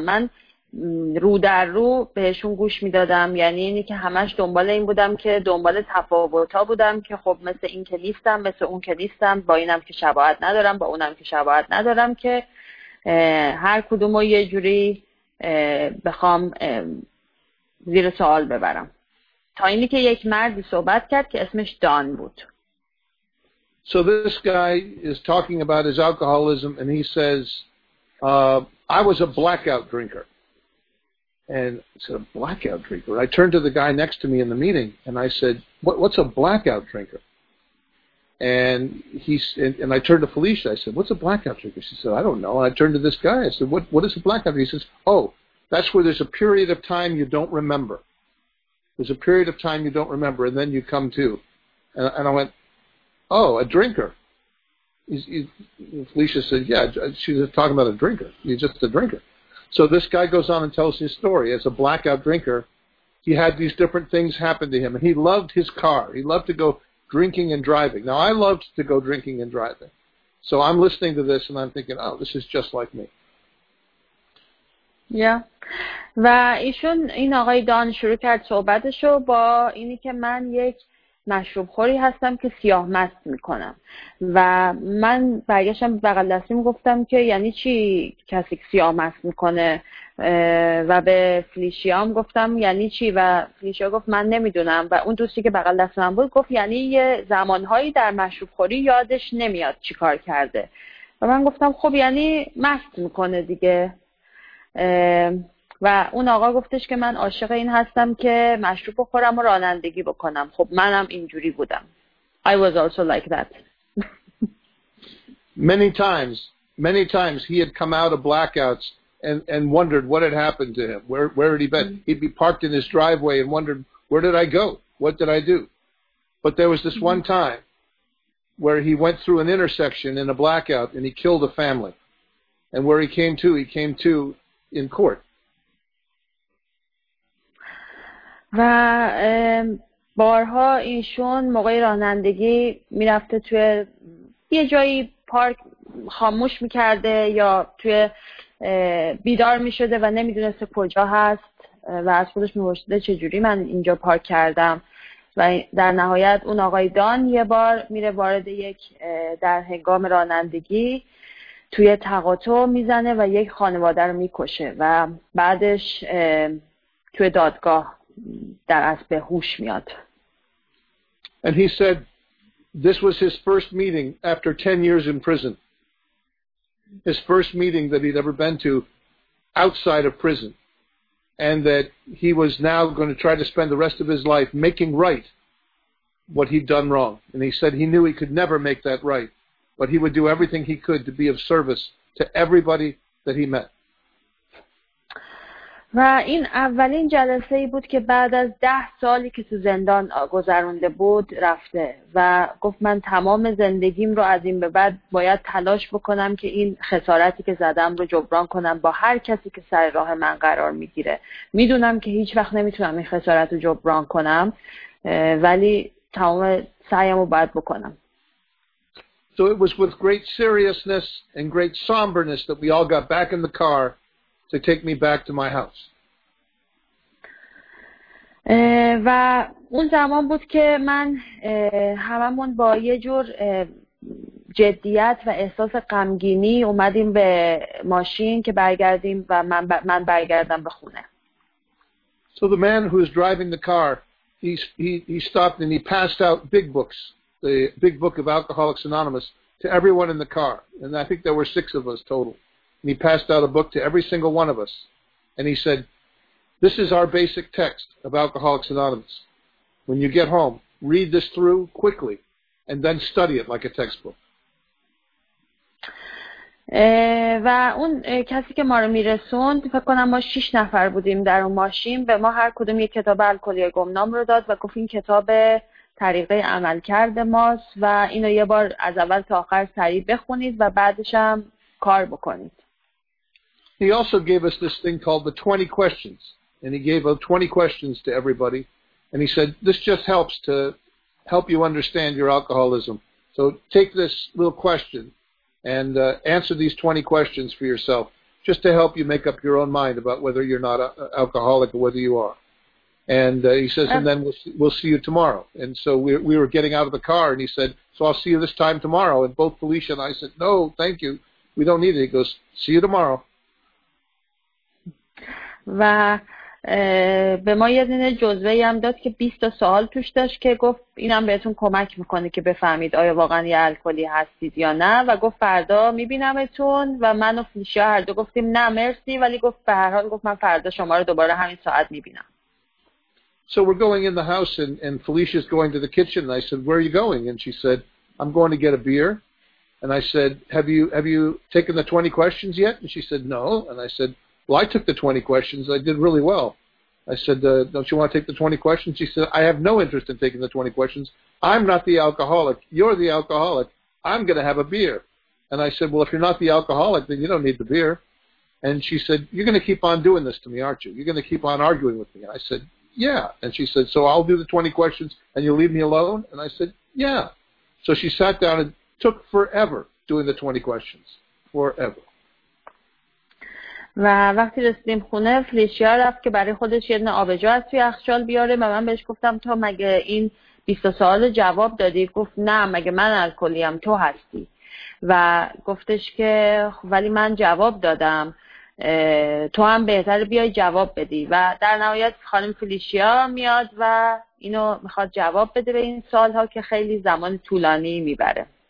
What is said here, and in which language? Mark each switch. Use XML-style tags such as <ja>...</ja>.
<fa>من رو در رو بهشون گوش میدادم، یعنی اینی که همش دنبال این بودم که دنبال تفاوت‌ها بودم که خب مثل این که نیستم، مثل اون که نیستم، با اینم که شباهت ندارم، با اونم که شباهت ندارم، که هر کدومو یه جوری بخوام زیر سوال ببرم. تا اینی که یک مردی صحبت کرد که اسمش دان بود.</fa> <en>So this guy is talking about his alcoholism and he says I was a blackout drinker. And I said, a blackout drinker? I turned to the guy next to me in the meeting and I said, what's a blackout drinker? And I turned to Felicia. I said, what's a blackout drinker? She said, I don't know. And I turned to this guy. I said, what is a blackout drinker? He says, oh, that's where there's a period of time you don't remember. There's a period of time you don't remember and then you come to. And I went, oh, a drinker. Felicia said, yeah, she's talking about a drinker. You're just a drinker. So this guy goes on and tells his story. As a blackout drinker, he had these different things happen to him. And he loved his car. He loved to go drinking and driving. Now, I loved to go drinking and driving. So I'm listening to this and I'm thinking, oh, this is just like me. Yeah.</en> <fa>و ایشون این آقای دان شروع کرد صحبتشو با اینی که من یک مشروب خوری هستم که سیاه مست میکنم و من برگشتم بغل دستیم گفتم که یعنی چی کسی که سیاه مست میکنه و به فلیشیام گفتم یعنی چی و فلیشیا گفت من نمیدونم و اون دوستی که بغل دستم بود گفت یعنی یه زمانهایی در مشروب خوری یادش نمیاد چی کار کرده و من گفتم خب یعنی مست میکنه دیگه و اون آقا گفتش که من عاشق این هستم که مشروب بخورم و رانندگی بکنم. خب منم اینجوری بودم.</fa> <en>I was also like that. many times he had come out of blackouts and wondered what had happened to him. Where had he been? He'd be parked in his driveway and wondered, where did I go? What did I do? But there was this one time where he went through an intersection in a blackout and he killed a family. And where he came to in court.</en> <fa>و بارها ایشون موقع رانندگی میرفته توی یه جایی پارک خاموش میکرده یا توی بیدار میشده و نمیدونسته کجا هست و از خودش میپرسیده چجوری من اینجا پارک کردم و در نهایت اون آقای دان یه بار میره وارد یک در هنگام رانندگی توی تقاطع میزنه و یک خانواده رو میکشه و بعدش توی دادگاه در اسب هوش میاد.</fa> <en>And he said this was his first meeting after 10 years in prison. His first meeting that he'd ever been to outside of prison. And that he was now going to try to spend the rest of his life making right what he'd done wrong. And he said he knew he could never make that right, but he would do everything he could to be of service to everybody that he met.</en> <fa>و این اولین جلسه ای بود که بعد از 10 سالی که تو زندان گذرونده بود رفته و گفت من تمام زندگیم رو از این به بعد باید تلاش بکنم که این خسارتی که زدم رو جبران کنم با هر کسی که سر راه من قرار میگیره. میدونم که هیچ وقت نمیتونم این خسارت رو جبران کنم ولی تمام سعیم رو باید بکنم.</fa> <en>So it was with great seriousness and great somberness that we all got back in the car to take me back to my house.</en> <fa>و اون زمان بود که من هممون با یه جور جدیت و احساس غمگینی اومدیم به ماشین که برگردیم و من برگردم به خونه.</fa> <en>So the man who was driving the car, he stopped and he passed out big books, the big book of Alcoholics Anonymous, to everyone in the car. And I think there were six of us total. And he passed out a book to every single one of us. And he said, this is our basic text of Alcoholics Anonymous. When you get home, read this through quickly and then study it like a textbook.</en> <fa>و اون کسی که ما رو میرسوند فکر کنم ما 6 نفر بودیم در اون ماشین، به ما هر کدوم یک کتاب الکلی گمنام رو داد و گفت این کتاب طریقه عمل کرده ماست و اینو یه بار از اول تا آخر سریع بخونید و بعدش هم کار بکنید.</fa> <en>He also gave us this thing called the 20 questions and he gave out 20 questions to everybody and he said this just helps to help you understand your alcoholism, so take this little question and answer these 20 questions for yourself just to help you make up your own mind about whether you're not an alcoholic or whether you are. And he says, and then we'll see you tomorrow. And so we were getting out of the car and he said, so I'll see you this time tomorrow. And both Felicia and I said, no, thank you. We don't need it. He goes, see you tomorrow.</en> <fa>و به ما یه دونه جزوه‌ای هم داد که 20 تا سوال توش داشت که گفت اینم بهتون کمک میکنه که بفهمید آیا واقعا یه الکلی هستید یا نه و گفت فردا میبینمتون و من و فلیشیا هر دو گفتیم نه مرسی ولی گفت به هر حال گفت من فردا شما رو دوباره همین ساعت میبینم.</fa> <en>So we're going in the house and Felicia's going to the kitchen and I said where are you going and she said I'm going to get a beer and I said have you taken the 20 questions yet and she said no and I said well, I took the 20 questions. I did really well. I said, don't you want to take the 20 questions? She said, I have no interest in taking the 20 questions. I'm not the alcoholic. You're the alcoholic. I'm going to have a beer. And I said, well, if you're not the alcoholic, then you don't need the beer. And she said, you're going to keep on doing this to me, aren't you? You're going to keep on arguing with me. And I said, yeah. And she said, so I'll do the 20 questions and you'll leave me alone? And I said, yeah. So she sat down and took forever doing the 20 questions. Forever.</en> <fa>و وقتی رسیدیم خونه فلیشیا رفت که برای خودش یه دونه آبجو از توی یخچال بیاره و من بهش گفتم تو مگه این 20 سوال جواب دادی؟ گفت نه مگه من الکلیم تو هستی و گفتش که ولی من جواب دادم تو هم بهتره بیای جواب بدی و در نهایت خانم فلیشیا میاد و اینو میخواد جواب بده به این سوال ها که خیلی زمان طولانی میبره.</fa>